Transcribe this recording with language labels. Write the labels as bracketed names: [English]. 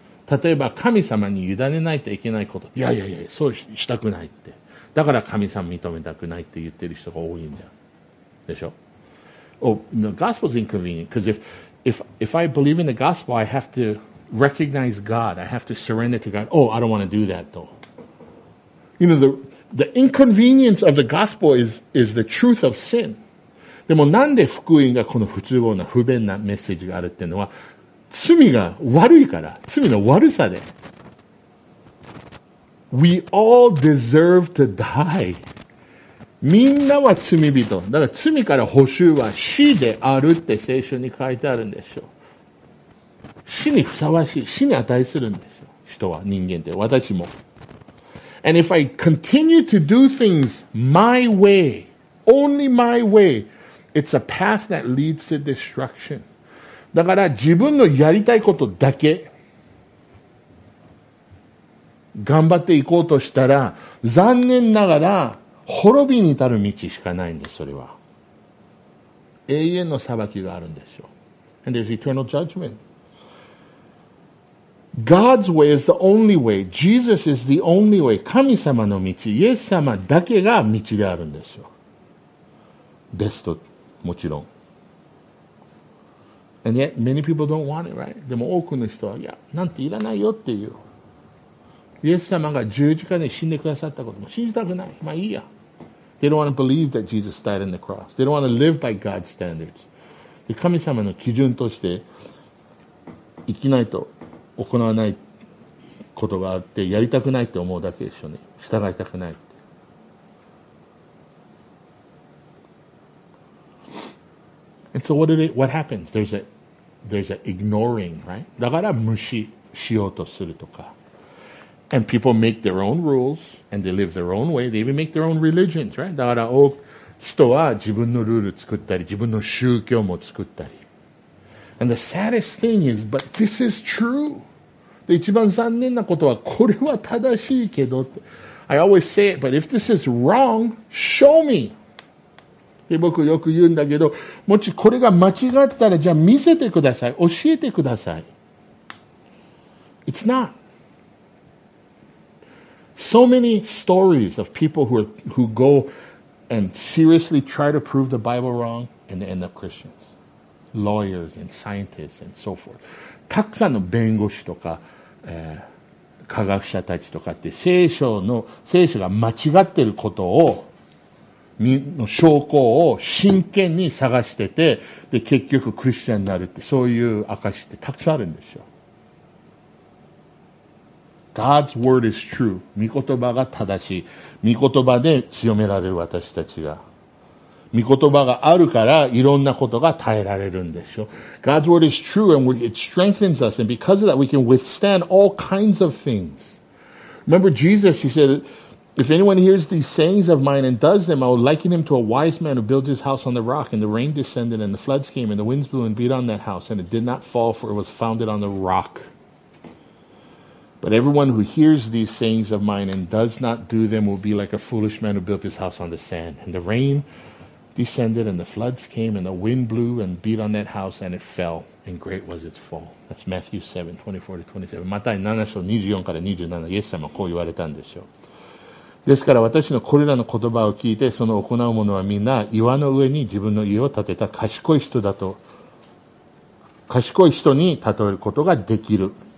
[Japanese] 例えば、神様に委ねないといけないこと。いや、そうしたくないって。だから神様認めたくないって言ってる人が多いんだよ。でしょ。 [English] Oh, the gospel is inconvenient, because if I believe in the gospel, I have toRecognize God. I have to surrender to God. Oh, I don't want to do that though. You know, the inconvenience of the gospel is the truth of sin. [Japanese] でもなんで福音がこの不都合な不便なメッセージがあるっていうのは、罪が悪いから、罪の悪さで。 We all deserve to die. みんなは罪人。だから罪から補修は死であるって聖書に書いてあるんでしょう。死にふさわしい、死に値するんですよ。人は、人間って、私も。 [English] And if I continue to do things my way, only my way, it's a path that leads to destruction. [Japanese] だから自分のやりたいことだけ、頑張っていこうとしたら、残念ながら、滅びに至る道しかないんです、それは。永遠の裁きがあるんですよ。 [English] And there's eternal judgment. God's way is the only way. Jesus is the only way. [Japanese] 神様の道、イエス様だけが道であるんですよ。ベスト、もちろん。 [English] And yet, many people don't want it, right? [Japanese] でも多くの人は、いや、なんていらないよっていう。イエス様が十字架で死んでくださったことも信じたくない。まあいいや。 [English] They don't want to believe that Jesus died on the cross. They don't want to live by God's standards. [Japanese] で、神様の基準として生きないと行わないことがあって、やりたくないと思うだけでしょうね。従いたくない。 [English] And so what happens? There's an ignoring, right? [Japanese] だから無視しようとするとか。 [English] And people make their own rules and they live their own way. They even make their own religions, right? [Japanese] だから多く人は自分のルール作ったり、自分の宗教も作ったり。 [English] And the saddest thing is, but this is true. [Japanese] で、一番残念なことは、これは正しいけど。 [English] I always say it, but if this is wrong, show me. [Japanese] で、僕よく言うんだけど、もしこれが間違ったら、じゃあ見せてください。教えてください。 [English] It's not. So many stories of people who go and seriously try to prove the Bible wrong and they end up Christians. Lawyers and scientists and so forth. [Japanese] たくさんの弁護士とか、科学者たちとかって聖書が間違ってることを、の証拠を真剣に探してて、で、結局クリスチャンになるって、そういう証ってたくさんあるんですよ。 [English] God's word is true. [Japanese] 御言葉が正しい。御言葉で強められる私たちが。御言葉があるからいろんなことが耐えられるんでしょう。 [English] God's word is true and it strengthens us and because of that we can withstand all kinds of things. Remember Jesus, he said, if anyone hears these sayings of mine and does them, I will liken him to a wise man who builds his house on the rock and the rain descended and the floods came and the winds blew and beat on that house and it did not fall for it was founded on the rock. But everyone who hears these sayings of mine and does not do them will be like a foolish man who built his house on the sand. And the rain descended and the floods came and the wind blew and beat on that house and it fell. And great was its fall. That's Matthew 7:24-27. [Japanese] マタイ7章24から27、イエス様はこう言われたんでしょう。ですから私のこれらの言葉を聞いて、その行う者はみんな岩の上に自分の家を建てた賢い人に例えることができる。